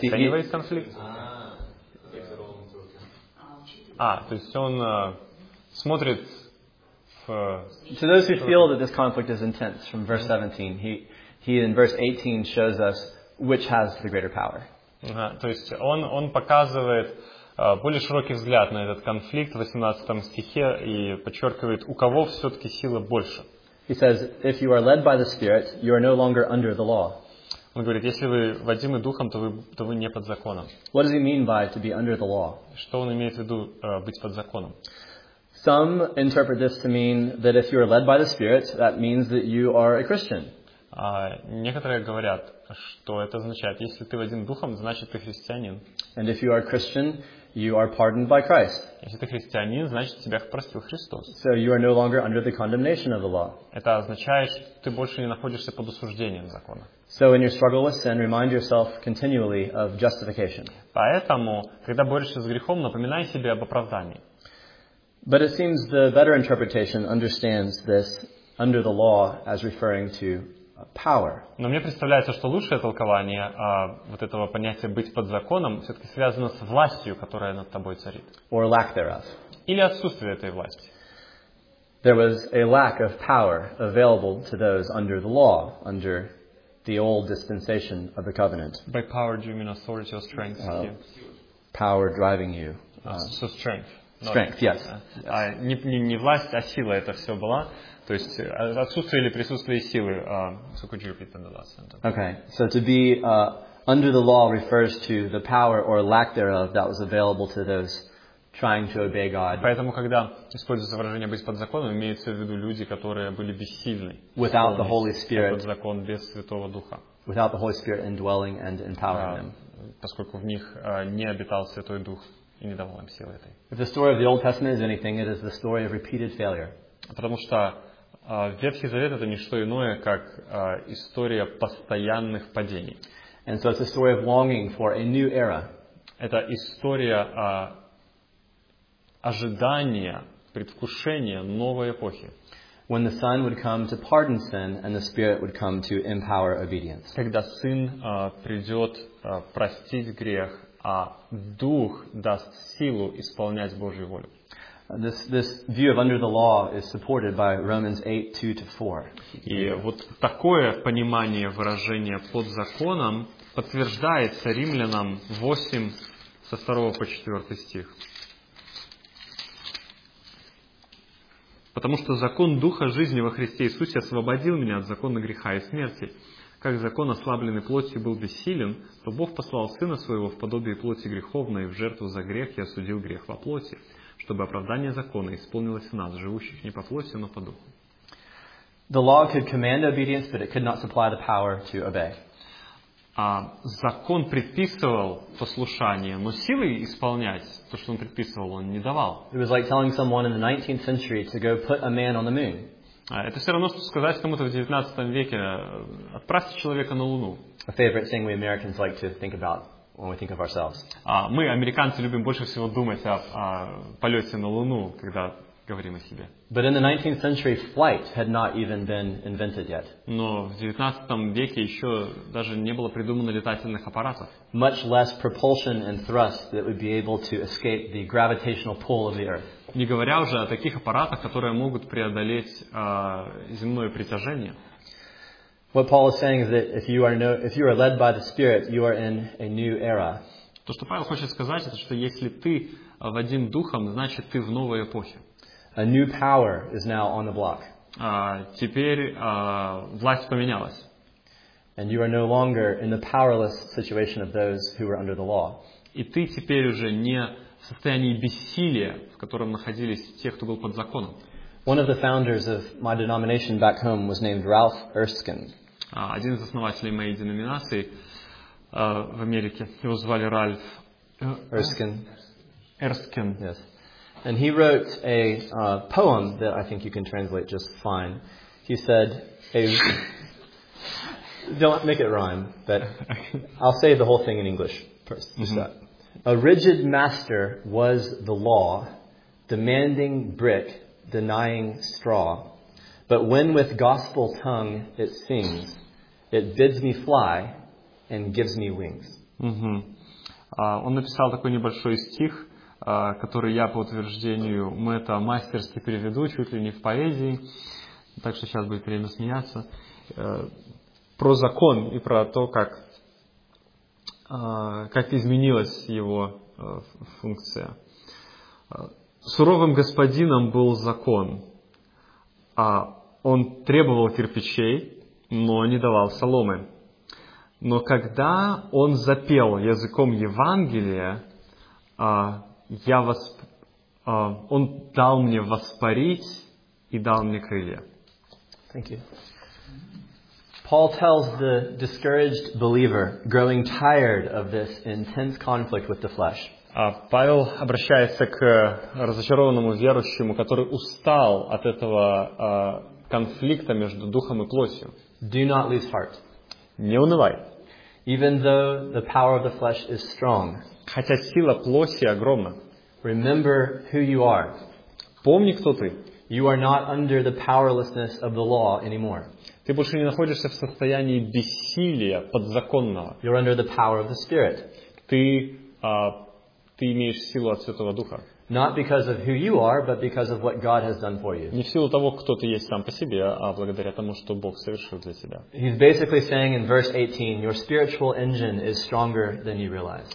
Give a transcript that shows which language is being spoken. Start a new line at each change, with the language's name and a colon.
English: he anyway, conflict.
Russian: То есть он смотрит в.
English: To those who feel that this conflict is intense, from verse 17, he in verse 18 shows us which has the greater power.
Russian: То есть он показывает более широкий взгляд на этот конфликт в 18 стихе и подчеркивает, у кого все-таки сила больше.
English: He says, if you are led by the Spirit, you are no longer under the law.
Russian: Он говорит, если вы водимы духом, то вы не под законом.
English: What does he mean by to be under the law?
Russian: Что он имеет в виду быть под законом?
English: Some interpret this to mean that if you are led by the Spirit, that means that you are a Christian.
Russian: Некоторые говорят, что это означает, если ты водим духом, значит ты христианин.
English: And if you are Christian, you are pardoned by Christ.
Russian: Если ты христианин, значит тебя простил Христос.
English: So you are no longer under the condemnation of the law.
Russian: Это означает, что ты больше не находишься под осуждением закона.
English: So in your struggle with sin, remind yourself continually of justification.
Russian: Поэтому, когда борешься с грехом, напоминай себе об оправдании.
English: But it seems the better interpretation understands this under the law as referring to power.
Russian: Но мне представляется, что лучшее толкование вот этого понятия быть под законом все-таки связано с властью, которая над тобой царит.
English: Or lack thereof.
Russian: Или отсутствие этой власти.
English: There was a lack of power available to those under the law, under the old dispensation of the covenant. By power, do you mean authority or strength? Power driving you. So strength. Strength, yes.
Russian: Не власть, а сила это все была. То есть отсутствие или присутствие силы.
English: So could you repeat the last sentence? Okay. So to be under the law refers to the power or lack thereof that was available to those trying to obey God.
Russian: Поэтому, когда используется выражение быть под законом, имеется в виду люди, которые были бессильны.
English: Without the Holy Spirit.
Russian: Под закон без Святого Духа.
English: Without the Holy Spirit indwelling and empowering them.
Russian: Поскольку в них не обитал Святой Дух. и не давал им силы этой.
English: If the story of the Old Testament is anything, it is the story of repeated failure.
Russian: Потому что Ветхий Завет — это не что иное, как история постоянных падений.
English: And so it's a story of longing for a new era.
Russian: Это история ожидания, предвкушения новой эпохи.
English: When the Son would come to pardon sin and the Spirit would come to empower obedience.
Russian: Когда Сын придет простить грех, а Дух даст силу исполнять Божью волю.
English: This view of under the law is supported by Romans 8:2-4.
Russian: И вот такое понимание выражения под законом подтверждается Римлянам 8 со 2 по 4 стих. Потому что закон Духа жизни во Христе Иисусе освободил меня от закона греха и смерти. Как закон, ослабленный плотью, был бессилен, то Бог послал Сына Своего в подобие плоти греховной в жертву за грех и осудил грех во плоти, чтобы оправдание закона исполнилось в нас, живущих не по плоти, но по духу.
English: The law could command obedience, but it could not supply the power to obey.
Russian: Закон предписывал послушание, но силы исполнять то, что он предписывал, он не давал.
English: It was like telling someone in the 19th century to go put a man on the moon.
Russian: Это все равно, что сказать кому-то в 19 веке: отправьте человека на Луну.
English: A favorite thing we Americans like to think about when we think of ourselves.
Russian: Мы, американцы, любим больше всего думать о полете на Луну, когда говорим о себе.
English: But in the 19th century, flight had not even been invented yet.
Russian: Но в 19 веке еще даже не было придумано летательных аппаратов.
English: Much less propulsion and thrust that would be able to escape the gravitational pull of the Earth.
Russian: Не говоря уже о таких аппаратах, которые могут преодолеть земное притяжение.
English: What Paul is saying is that if you are led by the Spirit, you are in a new era.
Russian: То, что Павел хочет сказать, это что если ты водим духом, значит ты в новой эпохе.
English: A new power is now on the block.
Russian: Теперь власть поменялась.
English: And you are no longer in the powerless situation of those who were under the law.
Russian: И ты теперь уже не в состоянии бессилия, в котором находились те, кто был под законом.
English: One of the founders of my denomination back home was named Ralph Erskine.
Russian: Один из основателей моей деноминации в Америке, его звали Ральф
English: Erskine. Erskine. Yes. And he wrote a poem that I think you can translate just fine. He said, don't make it rhyme, but I'll say the whole thing in English. First, just that. A rigid master was the law, demanding brick, denying straw. But when with gospel tongue it sings, it bids me fly and gives me wings.
Russian: Он написал такой небольшой стих, который я, по утверждению Мэтта, мастерски переведу, чуть ли не в поэзии. Так что сейчас будет время смеяться. Про закон и про то, как изменилась его функция. Суровым господином был закон. Он требовал кирпичей, но не давал соломы. Но когда он запел языком Евангелия, он дал мне воспарить и дал мне крылья.
English: Thank you. Paul tells the discouraged believer, growing tired of this intense conflict with the flesh.
Russian: Павел обращается к разочарованному верующему, который устал от этого конфликта между духом и плотью.
English: Do not lose heart.
Russian: Не унывай.
English: Even though the power of the flesh is strong.
Russian: Хотя сила плоти огромна.
English: Remember who you are.
Russian: Помни, кто ты.
English: You are not under the powerlessness of the law anymore.
Russian: Ты больше не находишься в состоянии бессилия подзаконного.
English: You're under the power of the Spirit.
Russian: Ты имеешь силу от Святого Духа.
English: Not because of who you are, but because of what God has done for you.
Russian: Не в силу того, кто ты есть сам по себе, а благодаря тому, что Бог совершил для тебя.
English: He's basically saying in verse 18, your spiritual engine is stronger than you realize.